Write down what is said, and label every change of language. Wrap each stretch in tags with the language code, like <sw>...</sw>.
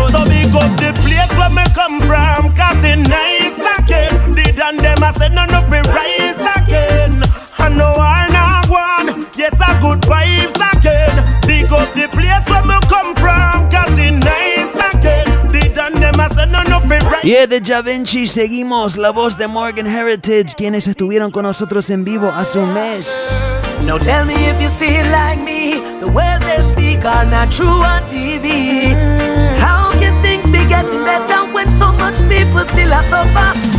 <en>So big up the place where me come from, cause it nice again. Did and them I said none of it rise again. No, I'm not one. Yes, a good vibes again. Dig up the place where me come from, cause it nice again. Did and them I said none of it right.</en> <es>Yeah, de Javinci seguimos. La voz de Morgan Heritage, quienes estuvieron con nosotros en vivo hace un mes.</es> <en>No, tell me if you see it like me. The words they speak are not true on TV. How can things be getting better when so much people still are suffer?</en>